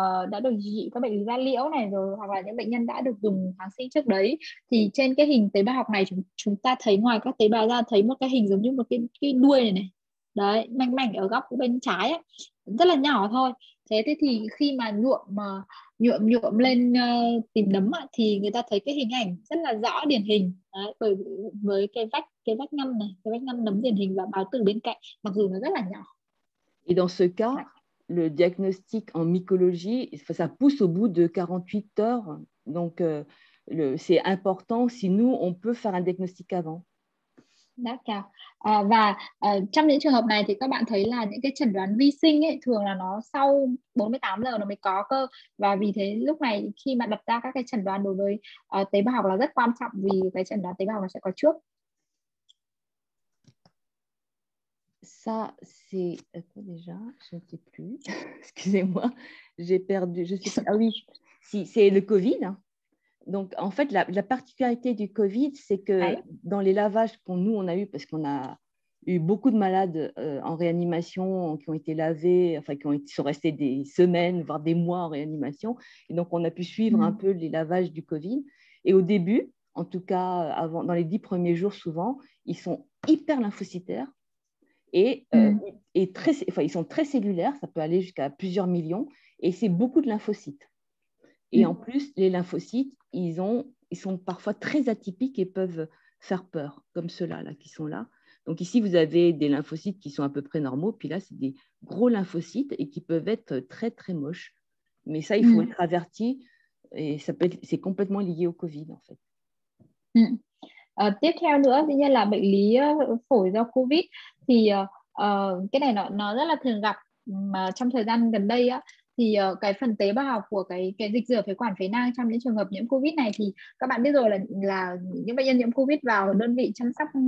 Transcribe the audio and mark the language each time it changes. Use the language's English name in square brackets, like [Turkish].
[Vietnamese] Đã được điều trị các bệnh lý da liễu này rồi, hoặc là những bệnh nhân đã được dùng kháng sinh trước đấy, thì trên cái hình tế bào học này chúng ta thấy ngoài các tế bào da thấy một cái hình giống như một cái đuôi này đấy, mảnh mảnh ở góc bên trái ấy, rất là nhỏ thôi. Thế thì khi mà nhuộm lên tìm nấm ấy, thì người ta thấy cái hình ảnh rất là rõ điển hình đấy, bởi với cái vách ngăn này, cái vách ngăn nấm điển hình và bào tử bên cạnh, mặc dù nó rất là nhỏ. [French] Et dans ce cas, le diagnostic en mycologie, ça pousse au bout de 48 heures. Donc, c'est important si nous, on peut faire un diagnostic avant. D'accord. [Vietnamese] Và trong những trường hợp này thì các bạn thấy là những cái chẩn đoán vi sinh ấy, thường là nó sau 48 giờ nó mới có cơ. Và vì thế lúc này khi mà đặt ra các cái chẩn đoán đối với tế bào học là rất quan trọng, vì cái chẩn đoán tế bào học nó sẽ có trước. [French] Ça, c'est... Attends, déjà, je ne sais plus. Excusez-moi, j'ai perdu. Je sais pas. Ah oui, si, c'est le Covid. Donc, en fait, la particularité du Covid, c'est que dans les lavages qu'on a eu, parce qu'on a eu beaucoup de malades en réanimation qui ont été lavés, enfin, qui sont restés des semaines, voire des mois en réanimation. Et donc, on a pu suivre un peu les lavages du Covid. Et au début, en tout cas, avant, dans les 10 premiers jours, souvent, ils sont hyper lymphocytaires. Ils sont très cellulaires, ça peut aller jusqu'à plusieurs millions, et c'est beaucoup de lymphocytes. Et en plus, les lymphocytes, ils sont parfois très atypiques et peuvent faire peur, comme ceux-là, là, qui sont là. Donc ici, vous avez des lymphocytes qui sont à peu près normaux, puis là, c'est des gros lymphocytes et qui peuvent être très, très moches. Mais ça, il faut être averti, et ça peut être, c'est complètement lié au Covid, en fait. [Vietnamese] Tiếp theo nữa, tuy nhiên là bệnh lý phổi do COVID thì cái này nó rất là thường gặp mà trong thời gian gần đây á, thì cái phần tế bào của cái dịch rửa phế quản phế nang trong những trường hợp nhiễm COVID này thì các bạn biết rồi là những bệnh nhân nhiễm COVID vào đơn vị chăm sóc